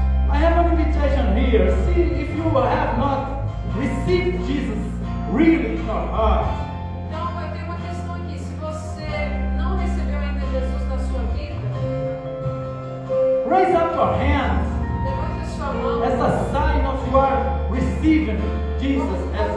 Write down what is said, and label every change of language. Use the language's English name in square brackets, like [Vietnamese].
[English] I have an invitation here. See if you have not received Jesus really in your heart. [Portuguese] Então, eu tenho uma questão aqui. Se você não recebeu ainda Jesus na sua vida, [English] raise up your hand. [Portuguese] Levante sua mão. [English] As a sign of you are receiving Jesus as